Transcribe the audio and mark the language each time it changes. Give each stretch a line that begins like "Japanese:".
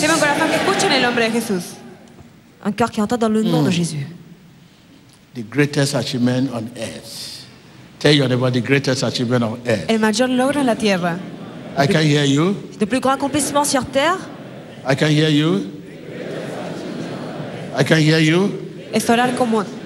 Spanish: Recibe un corazón que escucha en el nombre de Jesús.
French: Un cœur qui entend dans le nom de Jésus.
English: The greatest achievement on earth. Tell your neighbor the greatest achievement on earth.
Spanish: El mayor logro en la tierra.
English: I can hear you.
French: Le plus grand accomplissement sur terre.
English: I can hear you. I can hear you.
Spanish: Es orar como.